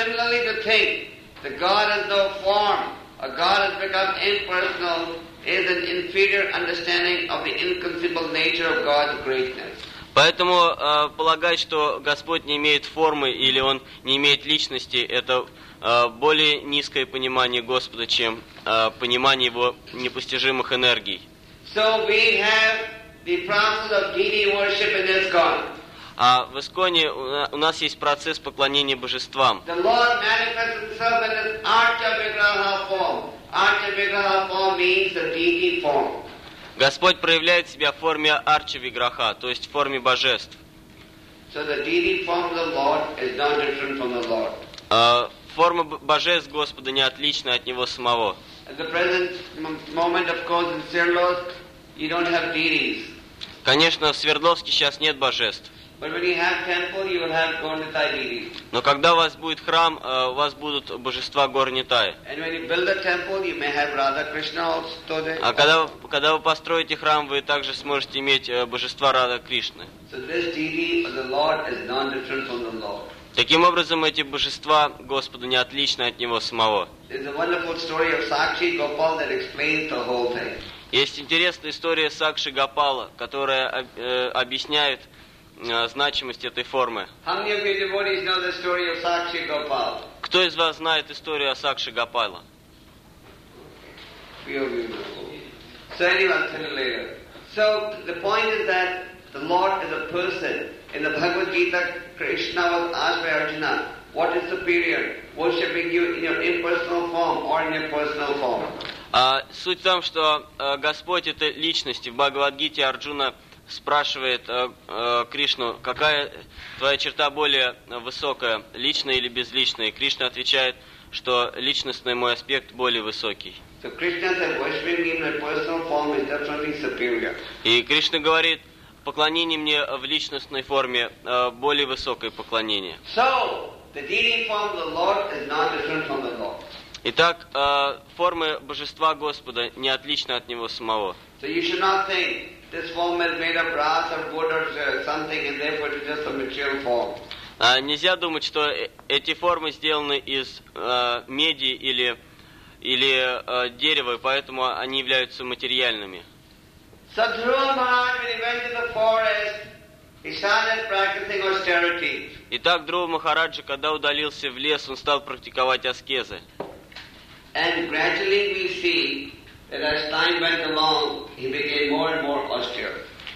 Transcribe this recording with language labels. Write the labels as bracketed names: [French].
[English] Similarly, the thing that God has no form, or God has become impersonal, is an inferior understanding of the inconceivable nature of God's greatness. [Russian] Поэтому полагать, что Господь не имеет формы или Он не имеет личности, это более низкое понимание Господа, чем понимание Его непостижимых энергий. [English] So we have the process of deity worship in ISKCON. [Russian] А в ИСКОНе у нас есть процесс поклонения божествам. [English] The Lord manifests Himself in His Archa-Vigraha form. Archa-Vigraha form means the deity form. [Russian] Господь проявляет себя в форме арчи-виграха, то есть в форме божеств. [English] So the deity form of the Lord is not different from the Lord. [Russian] Форма божеств Господа не отлична от Него самого. [English] At the present moment, of course, in Sverdlovsk, you don't have deities. [Russian] Конечно, в Свердловске сейчас нет божеств. [English] But when you have temple, you will have Gornitai deities. [Russian] Но когда у вас будет храм, у вас будут божества Горнитай. [English] And when you build a temple, you may have Radha Krishna also there. [Russian] А когда вы построите храм, вы также сможете иметь божества Радха Кришны. [English] So this deity of the Lord is non-different from the Lord. [Russian] Таким образом, эти божества Господу не отличны от Него самого. [English] There's a wonderful story of Sakshi Gopal that explains the whole thing. [Russian] Есть интересная история Сакши Гопала, которая объясняет значимость этой формы. [English] How many of you devotees know the story of Sakshi Gopal? [Russian] Кто из вас знает историю о Сакши Гопала? [English] So anyway, tell you later. So the point is that the Lord is a person. In the Bhagavad Gita, Krishna was asked by Arjuna, what is superior, worshipping you in your impersonal form or in your personal form? [Russian] Суть в том, что Господь — это личность. В Бхагавад-гите Арджуна спрашивает Кришну, какая твоя черта более высокая, личная или безличная? И Кришна отвечает, что личностный мой аспект более высокий. [English] So Krishna said, worshiping me in my personal form is definitely superior. [Russian] И Кришна говорит, поклонение мне в личностной форме более высокое поклонение. [English] So, the deity form of the Lord is not different from the Lord. [Russian] Итак, формы божества Господа не отличны от Него самого. [English] So you should not think this form is made of brass or wood or something and therefore it's just a material form. [Russian] Нельзя думать, что эти формы сделаны из меди или дерева, поэтому они являются материальными. [English] So Dhruva Maharaj, when he went to the forest, he started practicing austerity. [Russian] Итак, Друва Махараджа, когда удалился в лес, он стал практиковать аскезы. [English] And gradually we see that as time went along, he became more and more austere.